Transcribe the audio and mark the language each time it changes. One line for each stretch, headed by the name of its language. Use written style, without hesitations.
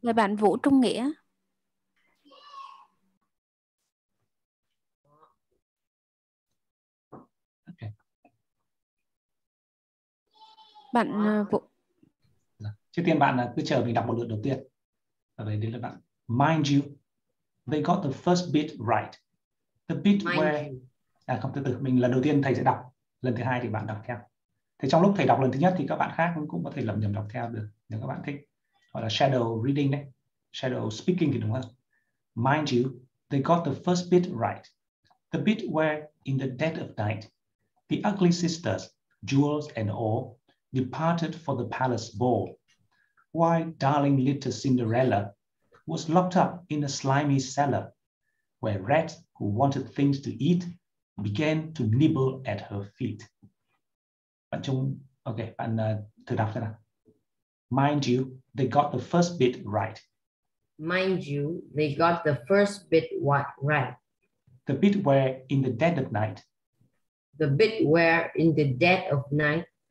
Vietnamese: Rồi bạn Vũ Trung Nghĩa.
English: Okay.
Vietnamese: Bạn Vũ. Trước tiên bạn cứ chờ mình đọc một lượt đầu tiên. Ở đây đến lượt bạn.
English: Mind you, they got the first bit right. The bit mind where...
Vietnamese: À, không, từ mình lần đầu tiên thầy sẽ đọc. Lần thứ hai thì bạn đọc theo. Thế trong lúc thầy đọc lần thứ nhất thì các bạn khác cũng có thể lẩm nhẩm đọc theo được nếu các bạn thích. Gọi là shadow reading đấy. Shadow speaking thì đúng không?
English: Mind you, they got the first bit right. The bit where in the dead of night, the ugly sisters, jewels and all, departed for the palace ball. Why darling little Cinderella was locked up in a slimy cellar where rats who wanted things to eat began to nibble at her feet.
Vietnamese: Bạn chung, ok, bạn thử đọc xem nào.
English: Mind you, they got the first bit right. Mind you, they got the first bit what right? The bit where in the dead of night. The bit where in the dead of night.